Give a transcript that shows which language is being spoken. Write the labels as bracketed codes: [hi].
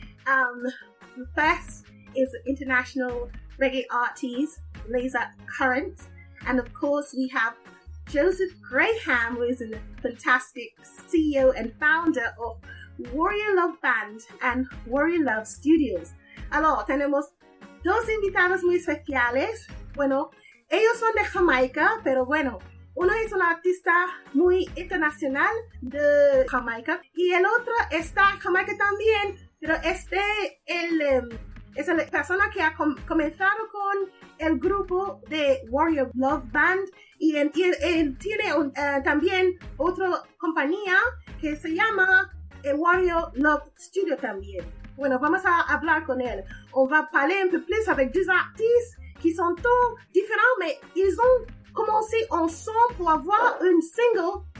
[en] The first is international reggae artist Lazah Current. And of course, we have Joseph Graham, who is a fantastic CEO and founder of Warrior Love Band and Warrior Love Studios. [es] Allora, tenemos dos invitados muy especiales. Bueno, ellos son de Jamaica, pero bueno, uno es un artista muy internacional de Jamaica y el otro está en Jamaica también, pero este es la persona que ha comenzado con el grupo de Warrior Love Band y tiene también otra compañía que se llama Wario Love Studio también. Bueno, vamos a hablar con él. [fr] On va parler un peu plus avec deux artistes qui sont tous différents, mais ils ont commencé ensemble pour avoir un single